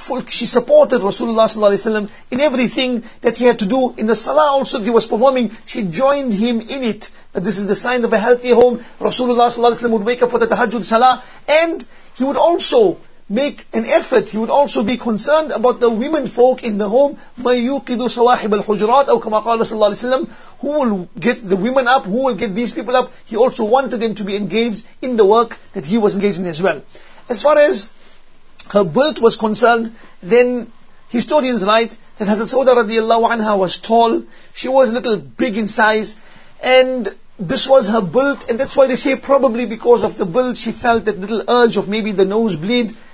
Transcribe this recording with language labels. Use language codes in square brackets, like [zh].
[en] She supported Rasulullah sallallahu alaihi wasallam in everything that he had to do. In the salah also that he was performing, she joined him in it. That this is the sign of a healthy home. Rasulullah sallallahu alaihi wasallam would wake up for the tahajjud salah, and he would also make an effort. He would also be concerned about the women folk in the home. [ar] مَيُّقِذُ صَوَاحِبَ الْحُجُرَاتِ أو كما قال صلى الله عليه وسلم. [en] Who will get the women up? Who will get these people up? He also wanted them to be engaged in the work that he was engaged in as well. As far as her build was concerned, then historians write that Hazrat Sauda radiallahu anha was tall. She was a little big in size. And this was her build, and that's why they say probably because of the build, she felt that little urge of maybe the nosebleed.